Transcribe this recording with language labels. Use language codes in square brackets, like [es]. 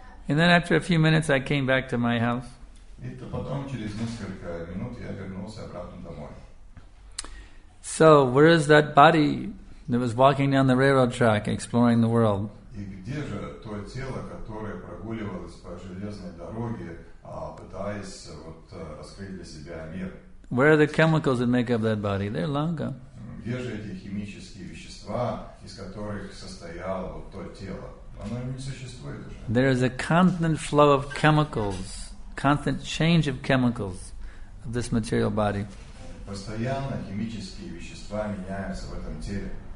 [en] And then after a few minutes I came back to my house. [ru] И потом через несколько минут я вернулся обратно домой. [en] So where is that body that was walking down the railroad track exploring the world? [ru] И где же то тело, которое прогуливалось по железной дороге, пытаясь раскрыть для себя мир? [en] Where are the chemicals that make up that body? They're long gone. [ru] Где же эти химические вещества, из которых состояло вот то тело? Оно не существует уже. [en] There is a constant flow of chemicals, constant change of chemicals of this material body. [ru] Постоянно химические вещества меняются в этом теле.